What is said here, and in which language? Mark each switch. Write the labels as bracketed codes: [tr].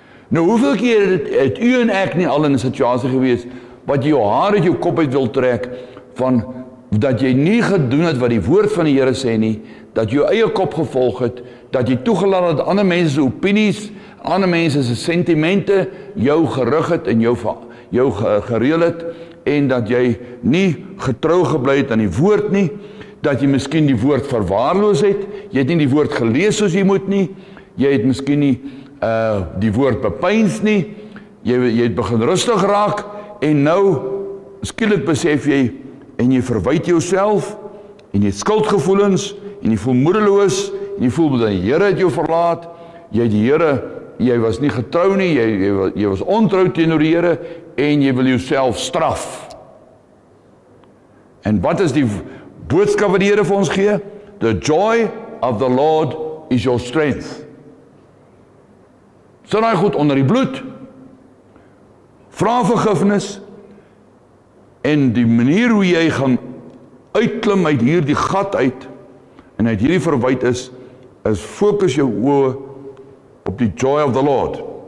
[af] Nou hoeveel keer het u en ek nie al in een situasie gewees, wat jy jou haar uit jou kop uit wil trek, van dat jy nie gedoen het wat die woord van die Here sê nie, dat jy jou eie kop gevolg het, dat jy toegelaat het ander mense se opinies, ander mense se sentimente jou gerig het en jou gereël het en dat jy nie getrou gebly het aan die woord nie, dat jy miskien die woord verwaarloos het, jy het nie die woord gelees soos jy moet nie, jy het miskien nie die woord bepeins nie, jy het begin rustig raak en nou skielik besef jy en jy verwyd jouself en jy het skuldgevoelens en jy voel moedeloos en jy voel dat die Here het jou verlaat, jy het die Here, jy was nie getrou nie, jy was ontrou teenoor die Here en jy wil jouself straf. En wat is die boodskap wat die Here vir ons gee? [en] The joy of the Lord is your strength. [af] Sin hy goed onder die bloed, vra vergifnis, en die manier hoe jy gaan uitklim uit hierdie gat uit, en uit hierdie verwyd is fokus jou oë op die [en] joy of the Lord.